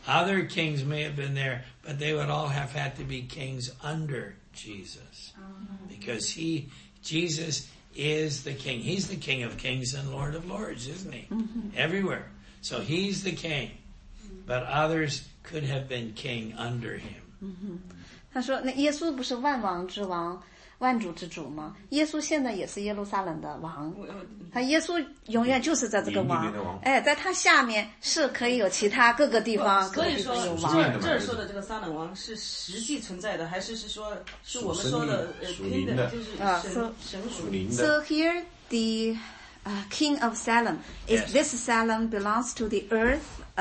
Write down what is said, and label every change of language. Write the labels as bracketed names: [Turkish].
[English] Other kings may have been there, but they would all have had to be kings under Jesus. Because Jesus is the king. He's the king of kings and Lord of lords, isn't he? Mm-hmm. Everywhere. So he's the king. But others could have been king under him. [Chinese] 他说那耶稣不是万王之王万主之主吗耶稣现在也是耶路撒冷的王。他耶稣永远就是在这个王。哎在他下面是可以有其他各个地方。所以说这儿说的这个撒冷王是实际存在的还是是说是我们说的 king 的就是神属灵的。 [English] So here the king of Salem, is this Salem belongs to the earth?